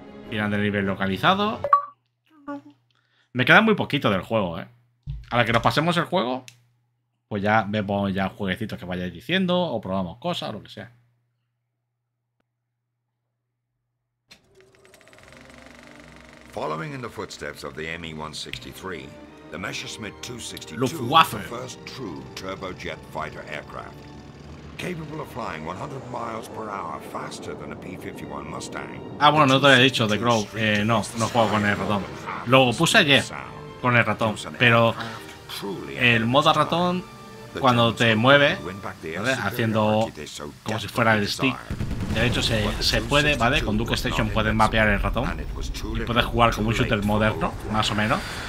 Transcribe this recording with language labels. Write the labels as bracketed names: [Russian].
[Spanish] Final del nivel localizado. Me queda muy poquito del juego, ¿eh? Ahora que nos pasemos el juego, pues ya vemos ya jueguecitos que vayáis diciendo, o probamos cosas, o lo que sea. [English] Following in the footsteps of the ME-163, the Messerschmitt 262 was the first true turbojet fighter aircraft, capable of flying 100 miles per hour faster than a P-51 Mustang. [Spanish] Ah, bueno, no te había dicho, The Grove, no juego con el ratón. Lo puse ayer con el ratón, pero el modo ratón, cuando te mueve, ¿vale? Haciendo como si fuera el stick. De hecho, se puede, ¿vale? Con Duke Station puedes mapear el ratón y puedes jugar como un shooter moderno, más o menos.